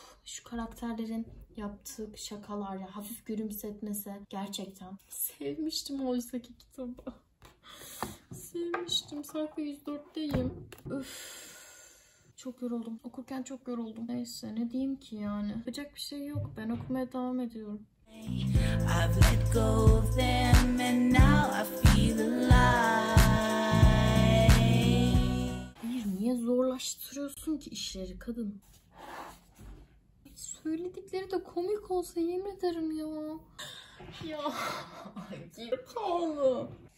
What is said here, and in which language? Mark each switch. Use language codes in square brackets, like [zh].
[tr] Şu karakterlerin yaptığı şakalar ya hafif gülümsetmese gerçekten. Sevmiştim oysaki kitabı. Sevmiştim. Sayfa 104'teyim. Öf. Çok yoruldum. Okurken çok yoruldum. Neyse ne diyeyim ki yani. Yapacak bir şey yok. Ben okumaya devam ediyorum. [en] I've let go of them and now I feel alive. [tr] Niye zorlaştırıyorsun ki işleri kadın? Söyledikleri de komik olsa yemin ederim ya. Ya. Gir kaldı.